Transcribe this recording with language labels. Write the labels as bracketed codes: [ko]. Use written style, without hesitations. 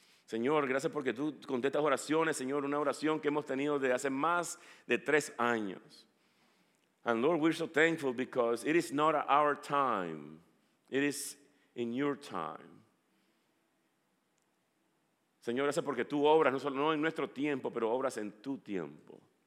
[es] Señor, gracias porque tú contestas oraciones, Señor, una oración que hemos tenido desde hace más de 3 años. [en] And Lord, we're so thankful because it is not our time. It is in your time. [es] Señor, gracias porque tú obras no solo en nuestro tiempo, pero obras en tu tiempo.